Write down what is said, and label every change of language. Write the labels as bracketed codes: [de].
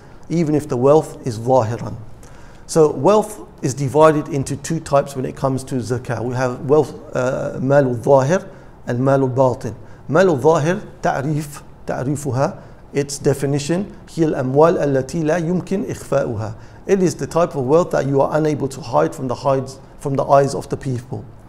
[en] Even if the wealth is ظاهِرًا. So wealth is divided into two types when it comes to zakah. We have wealth, mal al-zahir and mal al-batin. [ar] Mal al-zahir, ta'rifuha, its definition, هي الأموال التي لا يمكن إخفاؤها. [en] It is the type of wealth that you are unable to hide from the eyes of the people.